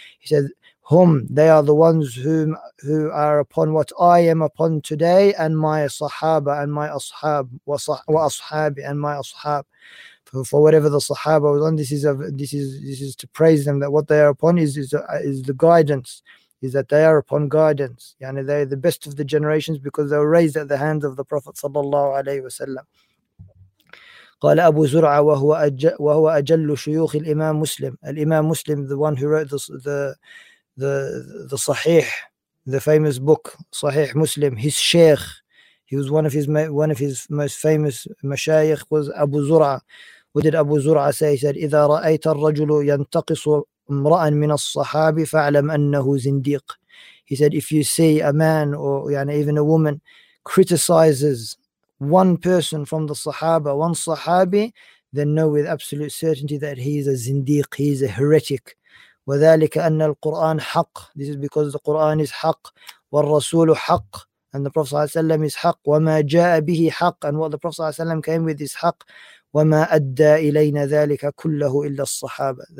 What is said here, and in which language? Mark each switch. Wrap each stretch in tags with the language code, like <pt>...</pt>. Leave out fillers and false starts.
<en>He said, hum, they are the ones who are upon what I am upon today, and my sahaba and my ashab, wa ashabi and my ashab, for whatever the sahaba was on. This is to praise them, that what they are upon is the guidance, is that they are upon guidance. Yani they are the best of the generations because they were raised at the hands of the Prophet sallallahu alaihi wasallam.</en> <ar>قال أبو زرعة وهو أجل شيوخ الإمام مسلم.</ar> <en>الإمام مسلم, the one who wrote the Sahih, the famous book Sahih Muslim, his sheikh, he was one of his most famous mashayikh, was Abu Zur'a. What did Abu Zur'a say? He said,</en> <ar>إذا رأيت الرجل ينتقص امرأ من الصحابي فاعلم أنه زنديق.</ar> <en>He said, if you see a man or يعني even a woman criticizes one person from the Sahaba, one Sahabi, then know with absolute certainty that he is a zindiq, he is a heretic.</en> <ar>وَذَلِكَ أَنَّ الْقُرْآنَ حَقٌّ.</ar> <en>This is because the Qur'an is haqq,</en> <ar>وَالرَّسُولُ حَقٌّ,</ar> <en>and the Prophet صلى الله عليه وسلم is haqq,</en> <ar>وَمَا جَاءَ بِهِ حَقٌّ,</ar> <en>and what the Prophet صلى الله عليه وسلم came with is haqq,</en> <ar>وَمَا أَدَّى إِلَيْنَ ذَلِكَ كُلَّهُ إِلَّا الصَّحَابَةِ.</ar>